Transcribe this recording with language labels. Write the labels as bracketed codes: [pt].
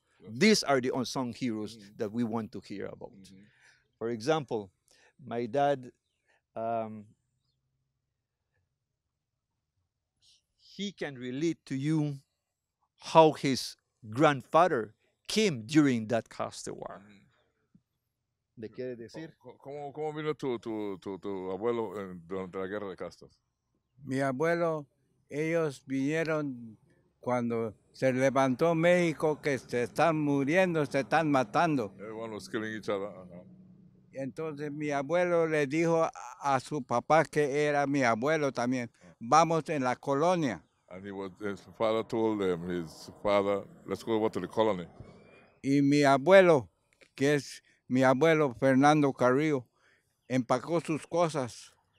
[en] These are the unsung heroes that we want to hear about. For example, my dad, he can relate to you how his grandfather came during that Caste War. [es] ¿Le quiere decir? ¿Cómo vino tu abuelo durante la guerra de castas? Mi abuelo, ellos vinieron cuando se levantó México, que se están muriendo, se están matando. [en] Everyone was killing each other. [es] Entonces mi abuelo le dijo a su papá, que era mi abuelo también, vamos en la colonia. [en] And his father told him, his father, let's go over to the colony. [es] Y mi abuelo, que es mi abuelo Fernando Carrillo, empacó sus cosas.